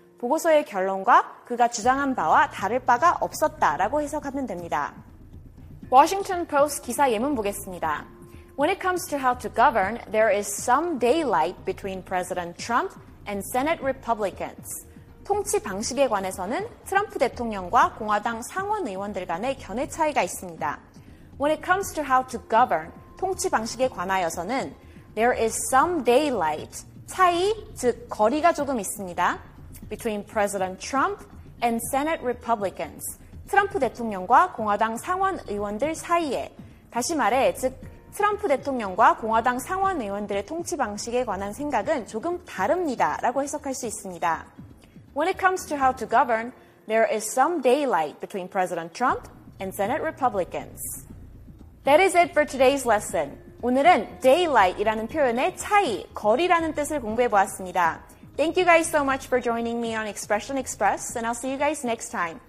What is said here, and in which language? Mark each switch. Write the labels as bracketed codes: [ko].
[ko] 보고서의 결론과 그가 주장한 바와 다를 바가 없었다라고 해석하면 됩니다. Washington Post 기사 예문 보겠습니다. [en] When it comes to how to govern, there is some daylight between President Trump and Senate Republicans. [ko] 통치 방식에 관해서는 트럼프 대통령과 공화당 상원 의원들 간의 견해 차이가 있습니다. [en] When it comes to how to govern, [ko] 통치 방식에 관하여서는 [en] there is some daylight, [ko] 차이, 즉 거리가 조금 있습니다. [en] Between President Trump and Senate Republicans, [ko] 트럼프 대통령과 공화당 상원 의원들 사이에, 다시 말해, 즉 트럼프 대통령과 공화당 상원 의원들의 통치 방식에 관한 생각은 조금 다릅니다. 라고 해석할 수 있습니다. [en] When it comes to how to govern, there is some daylight between President Trump and Senate Republicans. That is it for today's lesson. [ko] 오늘은 daylight이라는 표현의 차이, 거리라는 뜻을 공부해 보았습니다. [en] Thank you guys so much for joining me on Expression Express, and I'll see you guys next time.